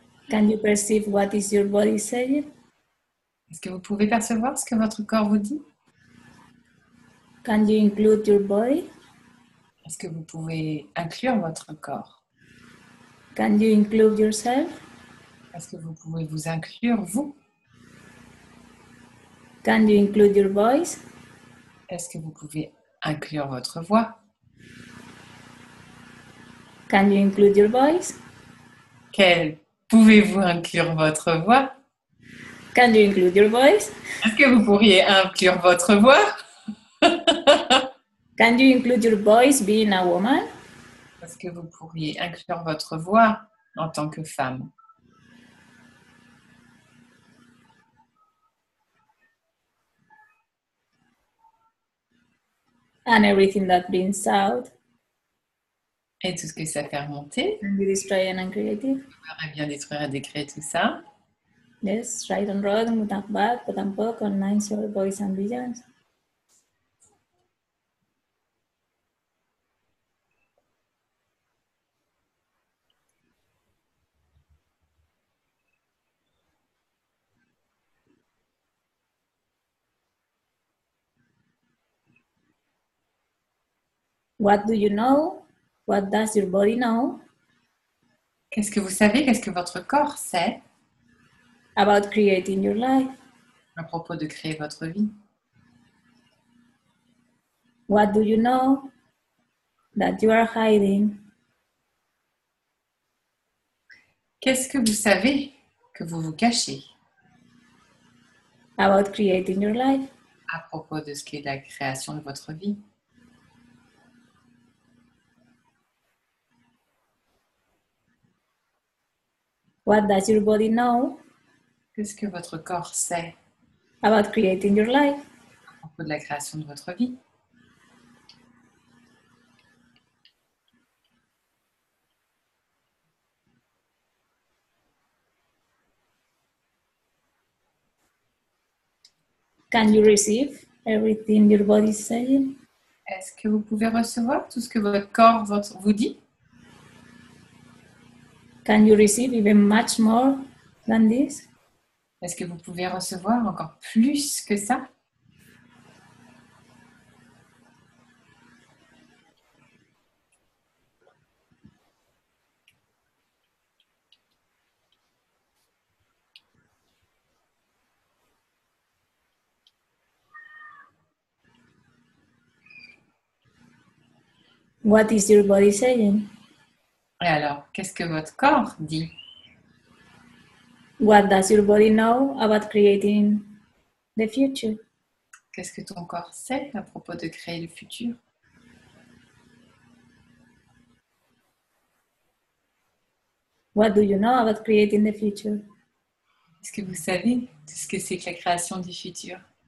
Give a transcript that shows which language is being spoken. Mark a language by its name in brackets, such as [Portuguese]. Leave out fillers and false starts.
[English] Can you perceive what is your body saying? [French] Est-ce que vous pouvez percevoir ce que votre corps vous dit? [English] Can you include your body? [French] Est-ce que vous pouvez inclure votre corps? [English] Can you include yourself? [French] Est-ce que vous pouvez vous inclure vous? [English] Can you include your voice? [French] Est-ce que vous pouvez inclure votre voix? [English] Can you include your voice? [French] Pouvez-vous inclure votre voix? [English] Can you include your voice? [French] Est-ce que vous pourriez inclure votre voix? [English] Can you include your voice being a woman? [French] Est-ce que vous pourriez inclure votre voix en tant que femme? [English] And everything that brings out. [French] Et tout ce que ça fait remonter. [English] And destroy and uncreate. [French] Vous pourriez bien détruire et décréer tout ça. [English] Yes, right and wrong, good and bad, but I'm both on nice your voice and visions. What do you know? What does your body know? [French] Qu'est-ce que vous savez? Qu'est-ce que votre corps sait? [English] About creating your life. [French] À propos de créer votre vie. [English] What do you know that you are hiding? [French] Qu'est-ce que vous savez que vous vous cachez? [English] About creating your life. [French] À propos de ce qui est la création de votre vie. [English] What does your body know? [French] Qu'est-ce que votre corps sait? [English] About creating your life. [French] À propos de la création de votre vie. [English] Can you receive everything your body is saying? [French] Est-ce que vous pouvez recevoir tout ce que votre corps vous dit? [English] Can you receive even much more than this? [French] Est-ce que vous pouvez recevoir encore plus que ça? [English] What is your body saying? [French] Et alors, qu'est-ce que votre corps dit? [English] What does your body know about creating the future? [French] Qu'est-ce que ton corps sait à propos de créer le futur? [English] What do you know about creating the future? [French] Est-ce que vous savez tout ce que c'est que la création du futur?